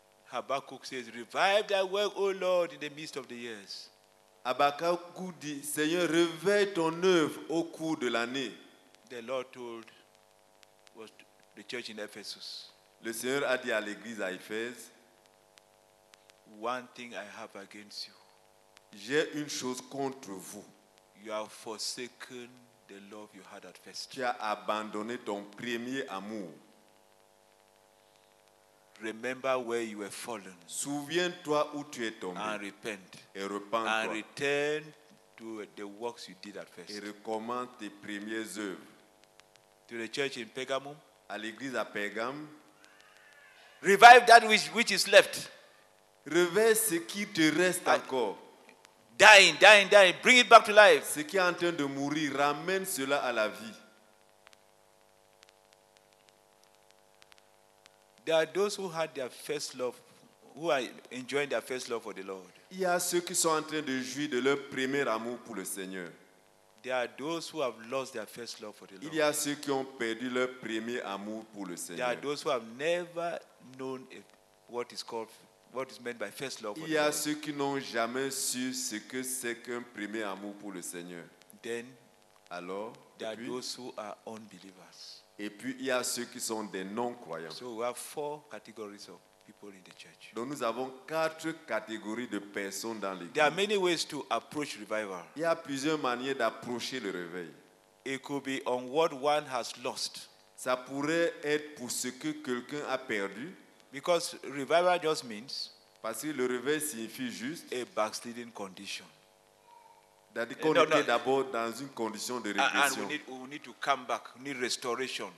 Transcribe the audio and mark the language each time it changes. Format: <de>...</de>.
<en>Habakkuk says, revive thy work, O Lord, in the midst of the years.</en> <fr>Habakkuk dit, Seigneur, réveille ton œuvre au cours de l'année.</fr> <en>The Lord told was the church in Ephesus.</en> <fr>Le Seigneur a dit à l'église à Éphèse.</fr> <en>One thing I have against you.</en> <fr>J'ai une chose contre vous.</fr> <en>You have forsaken the love you had at first.</en> <fr>Tu as abandonné ton premier amour.</fr> <en>Remember where you were fallen.</en> <fr>Souviens-toi où tu es tombé.</fr> <en>And repent.</en> <fr>Et repens-toi.</fr> <en>And return to the works you did at first.</en> <fr>Et recommence tes premières œuvres.</fr> <en>To the church in Pergamum.</en> <fr>À l'église à Pergame.</fr> <en>Revive that which is left.</en> <fr>Réveille ce qui te reste encore.</fr> <en>Dying. Bring it back to life.</en> <fr>Ce qui est en train de mourir, ramène cela à la vie.</fr> <en>There are those who had their first love, who are enjoying their first love for the Lord.</en> <fr>Il y a ceux qui sont en train de jouir de leur premier amour pour le Seigneur.</fr> <en>There are those who have lost their first love for the Lord.</en> <fr>Il y a ceux qui ont perdu leur premier amour pour le Seigneur.</fr> <en>There are those who have never known what is called. What is meant by first love?</en> <fr>Il y a ceux qui n'ont jamais su ce que c'est qu'un premier amour pour le Seigneur.</fr> <en>Then,</en> <fr>alors,</fr> <en>there are those who are unbelievers.</en> <fr>Et puis il y a ceux qui sont des non-croyants.</fr> <en>So we have four categories of people in the church.</en> <fr>Donc nous avons quatre catégories de personnes dans l'église.</fr> <en>There are many ways to approach revival.</en> <fr>Il y a plusieurs manières d'approcher le réveil.</fr> <en>It could be on what one has lost.</en> <fr>Ça pourrait être pour ce que quelqu'un a perdu.</fr> <en>Because revival just means</en> <fr>parce que le réveil signifie juste</fr> <en>a backsliding condition.</en> <fr>C'est-à-dire qu'on était d'abord dans une condition de régression.</fr> <en>And we need to come back, we need restoration.</en>